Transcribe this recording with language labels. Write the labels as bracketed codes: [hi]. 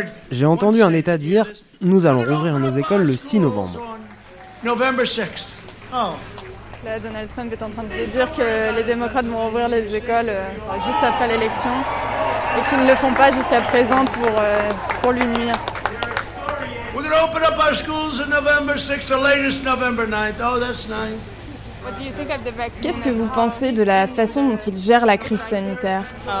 [fr] J'ai entendu un État dire « Nous allons rouvrir nos écoles le 6 novembre ». Là, Donald Trump est en train de dire que les démocrates vont rouvrir les écoles juste après l'élection et qu'ils ne le font pas jusqu'à présent pour lui nuire. [en] We're going to open up our schools on November 6th, or latest November 9th. Oh, that's nice. [fr] Qu'est-ce que vous pensez de la façon dont il gère la crise sanitaire ?